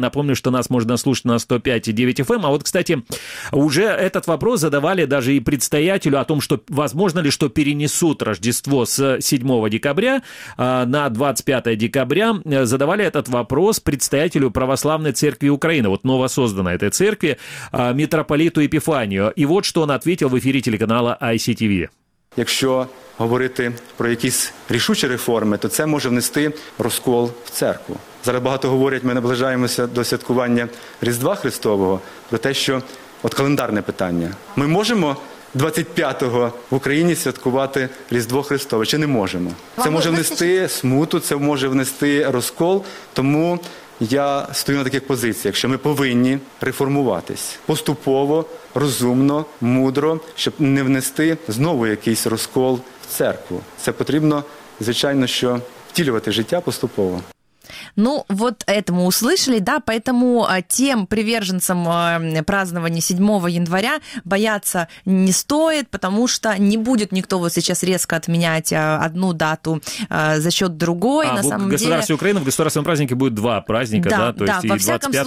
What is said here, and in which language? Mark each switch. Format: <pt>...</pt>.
<ru>Напомню, что нас можно слушать на 105.9 FM. А вот, кстати, уже этот вопрос задавали даже и предстоятелю о том, что возможно ли, что перенесут Рождество с 7 декабря на 25 декабря. Задавали этот вопрос предстоятелю Православной Церкви Украины, вот новосозданной этой церкви, митрополиту Епіфанію. И вот, что он ответил в эфире телеканала ICTV.</ru> <uk>Якщо говорити про якісь рішучі реформи, то це може внести розкол в церкву. Зараз багато говорять, ми наближаємося до святкування Різдва Христового, про те, що от календарне питання. Ми можемо 25-го в Україні святкувати Різдво Христове, чи не можемо? Це може внести смуту, це може внести розкол, тому я стою на таких позиціях, що ми повинні реформуватись поступово, розумно, мудро, щоб не внести знову якийсь розкол в церкву. Це потрібно, звичайно, що втілювати життя поступово.</uk> <ru>Ну, вот это мы услышали, да, поэтому тем приверженцам празднования 7 января бояться не стоит, потому что не будет никто вот сейчас резко отменять одну дату за счет другой. А, на самом деле, в государстве Украины в государственном празднике будет два праздника, да, то есть и 25</ru>